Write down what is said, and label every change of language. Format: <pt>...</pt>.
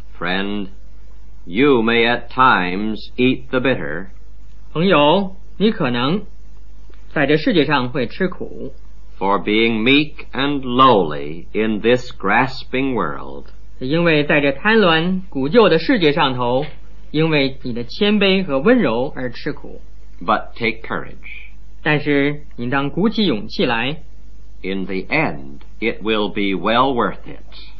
<en>Friend, you may at times eat the bitter.</en> <zh>朋友，你可能在这世界上会吃苦。</zh> <en>For being meek and lowly in this grasping world.</en> <zh>因为在这贪婪古旧的世界上头，因为你的谦卑和温柔而吃苦。</zh> <en>But take courage.</en> <zh>但是你当鼓起勇气来。</zh> <en>In the end, it will be well worth it.</en>